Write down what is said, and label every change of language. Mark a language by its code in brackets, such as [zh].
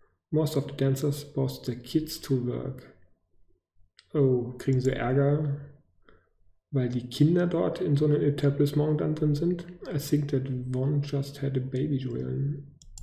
[en] Most of the dancers boss the kids to work. [de] Oh, kriegen sie Ärger, weil die Kinder dort in so einem Etablissement dann drin sind? [en] I think that one just had a baby, Julian.